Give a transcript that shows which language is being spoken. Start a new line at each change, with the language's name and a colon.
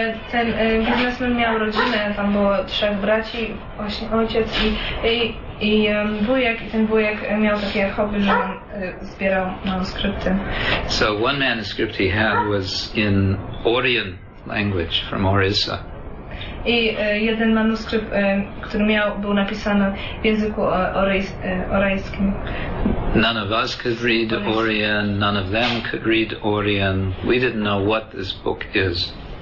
Polish: Ten biznesmen miał rodzinę, tam było trzech braci, właśnie ojciec i wujek, i ten wujek miał takie hobby, że on zbierał manuskrypty.
English: So one manuscript he had was in Orion language from Orissa.
Polish: I jeden manuskrypt, który miał, był napisany w języku orejskim.
English: None of us could read Orion, none of them could read Orion. We didn't know what this book is.